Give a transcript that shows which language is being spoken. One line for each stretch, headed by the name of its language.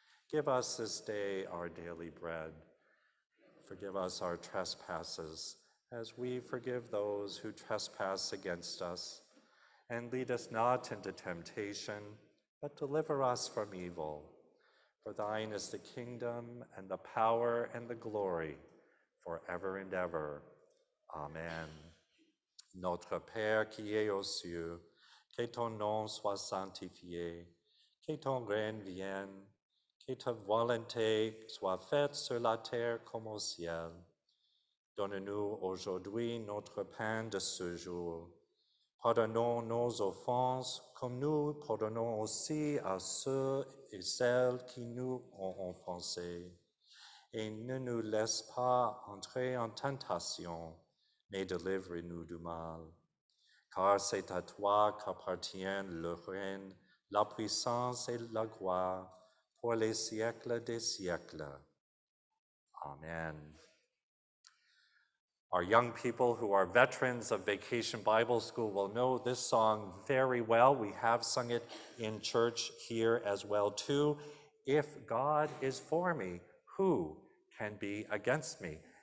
English: Give us this day our daily bread. Forgive us our trespasses, as we forgive those who trespass against us. And lead us not into temptation, but deliver us from evil. For thine is the kingdom and the power and the glory forever and ever. Amen.
French: Notre Père qui es aux cieux, que ton nom soit sanctifié, que ton règne vienne, que ta volonté soit faite sur la terre comme au ciel. Donne-nous aujourd'hui notre pain de ce jour. Pardonnons nos offenses, comme nous pardonnons aussi à ceux et celles qui nous ont offensés. Et ne nous laisse pas entrer en tentation, mais délivre-nous du mal. Car c'est à toi qu'appartient le règne, la puissance et la gloire, pour les siècles des siècles. Amen.
English: Our young people who are veterans of Vacation Bible School will know this song very well. We have sung it in church here as well too. If God is for me, who can be against me?